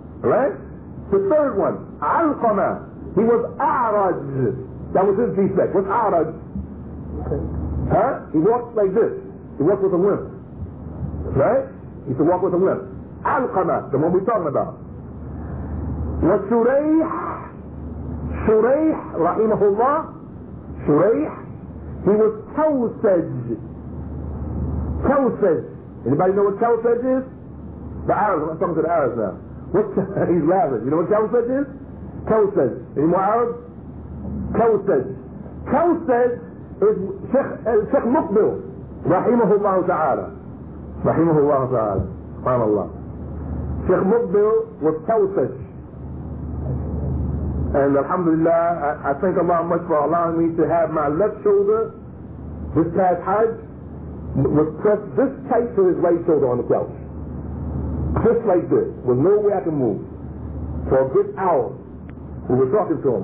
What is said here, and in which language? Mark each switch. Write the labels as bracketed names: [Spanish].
[English] Right? The third one, Alqama. He was A'raj. That was his defect. What's A'raj? Huh? He walked like this. He walked with a limp. Right? He used to walk with a limp. Alqama, the one we're talking about. [Arabic] وَشُرَيْحْ شُرَيْحْ رَحِمَهُ اللَّهُ شُرَيْحْ [English] He was Tawsaj. Tawsaj. Anybody know what Tawsaj is? The Arabs. I'm talking to the Arabs now. He's laughing. You know what Tawsaj is? Tawsaj. Any more Arabs? Tawsaj. Tawsaj is Sheikh Muqbil. [Arabic] رَحِمَهُ اللَّهُ تَعَالَى رَحِمَهُ اللَّهُ تَعَالَى سُبْحَانَ اللَّهُ [English] Sheikh Muqbil was Tawsaj. And alhamdulillah, I thank Allah much for allowing me to have my left shoulder this past Hajj was pressed this tight to his right shoulder on the couch. Just like this, with no way I can move. For a good hour, we were talking to him.